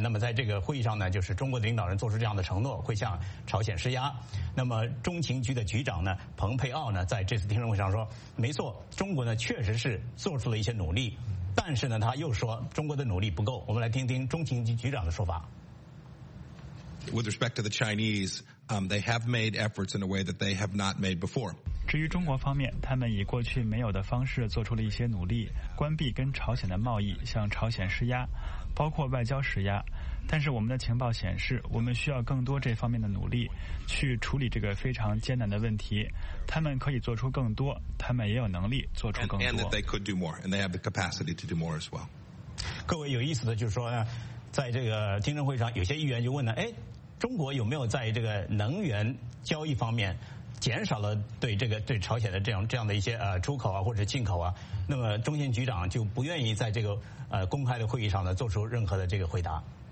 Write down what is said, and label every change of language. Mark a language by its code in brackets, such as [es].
[zh] 那么在这个会议上呢，就是中国的领导人做出这样的承诺，会向朝鲜施压。那么中情局的局长呢，蓬佩奥呢，在这次听证会上说，没错，中国呢确实是做出了一些努力，但是呢，他又说中国的努力不够。我们来听听中情局局长的说法。 [en] With respect to the Chinese, they have made efforts in a way that they have not made before. [zh] 至于中国方面，他们以过去没有的方式做出了一些努力，关闭跟朝鲜的贸易，向朝鲜施压，包括外交施压。但是我们的情报显示，我们需要更多这方面的努力，去处理这个非常艰难的问题。他们可以做出更多，他们也有能力做出更多。 [en] And that they could do more, and they have the capacity to do more as well. [zh] 各位有意思的就是说呢，在这个听证会上，有些议员就问呢，哎，中国有没有在这个能源交易方面减少了对朝鲜的这样的一些出口啊或者进口啊？那么中情局长就不愿意在这个公开的会议上呢做出任何的这个回答。